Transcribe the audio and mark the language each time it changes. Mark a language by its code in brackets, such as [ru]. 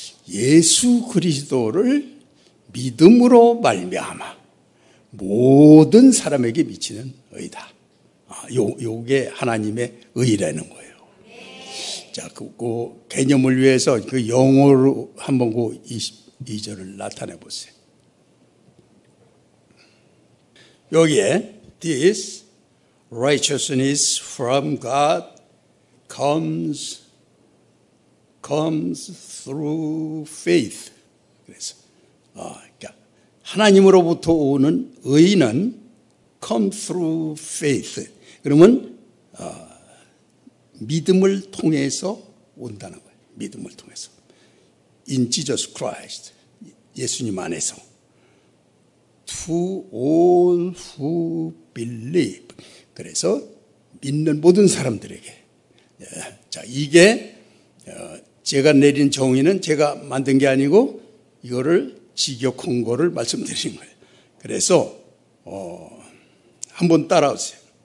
[ko] 예수 그리스도를 믿음으로 말미암아 모든 사람에게 미치는 의다. 요게 하나님의 의라는 거예요. 자, 그 개념을 위해서 그 영어로 한번 그 22절을 나타내 보세요. 여기에 [en] This righteousness from God comes through faith. [ko] 그래서 그러니까 하나님으로부터 오는 의는 [en] come through faith. [ko] 그러면 믿음을 통해서 온다는 거예요. 믿음을 통해서 [en] in Jesus Christ, [ko] 예수님 안에서 [en] to all who believe. [ko] 그래서 믿는 모든 사람들에게. 예. 자, 이게 제가 내린 정의는 제가 만든 게 아니고 이거를 직역한 거를 말씀드린 거예요. 그래서 한번 따라오세요.